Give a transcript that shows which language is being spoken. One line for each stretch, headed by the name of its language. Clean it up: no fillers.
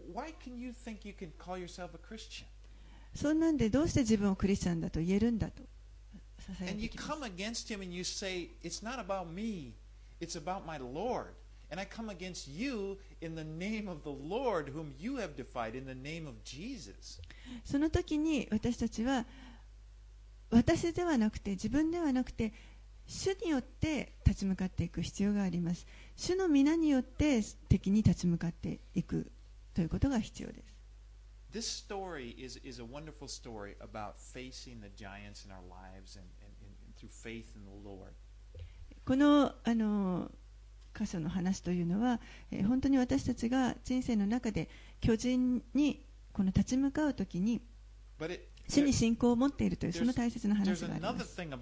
English: Why can you think you can call yourself a Christian?
Japanese: そんなんでどうして自分をクリスチャンだと言えるんだと。
English: And you come against him and you say, it's not about me, it's about my Lord. And I come against you in the name of the Lord whom you have defied, in the name of Jesus.
Japanese: その時に私たちは、私ではなくて、自分ではなくて、主によって立ち向かっていく必要があります。主の皆によって敵に立ち向かっていくということが必要です。
English: This story is a wonderful story about facing the giants in our lives and through faith in the Lord.
Japanese: この箇所の話というのは、本当に私たちが人生の中で巨人にこの立ち向かうときに主に信仰を持っているというその大切な話があります。